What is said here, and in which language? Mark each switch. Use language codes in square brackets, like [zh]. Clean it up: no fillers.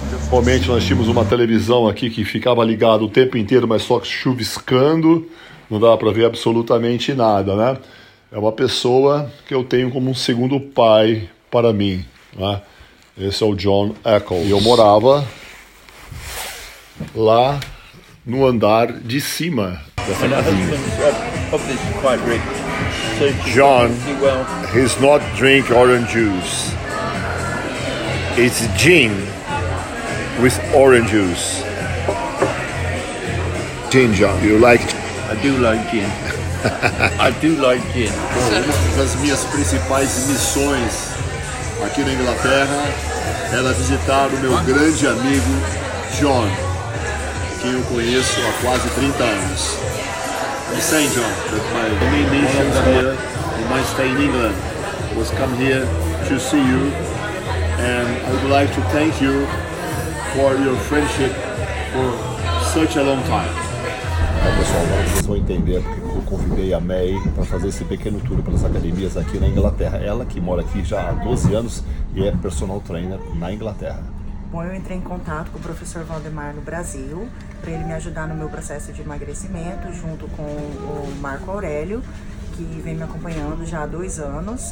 [pt] Realmente nós tínhamos uma televisão aqui que ficava ligada o tempo inteiro, mas só chuviscando, não dava para ver absolutamente nada, né? É uma pessoa que eu tenho como um segundo pai para mim, né? Esse é o John Eccles. E eu morava lá no andar de cima. [en] John, he's not drink orange juice. It's gin with orange juice. Gin, John. You like? I do like gin. I do like gin. [pt] Bom, uma das minhas principais missões aqui na Inglaterra era visitar o meu grande amigo John, que eu conheço há quase 30 anos. [en] The same, John, that my main mission here in my stay in England was come here to see you, and I would like to thank you for your friendship for such a long time. [pt] Então, pessoal, vocês vão entender porque eu convidei a May para fazer esse pequeno tour pelas academias aqui na Inglaterra. Ela que mora aqui já há 12 anos e é personal trainer na Inglaterra. Bom, eu entrei em contato com o professor Valdemar no Brasil para ele me ajudar no meu processo de emagrecimento, junto com o Marco Aurélio, que vem me acompanhando já há 2 anos.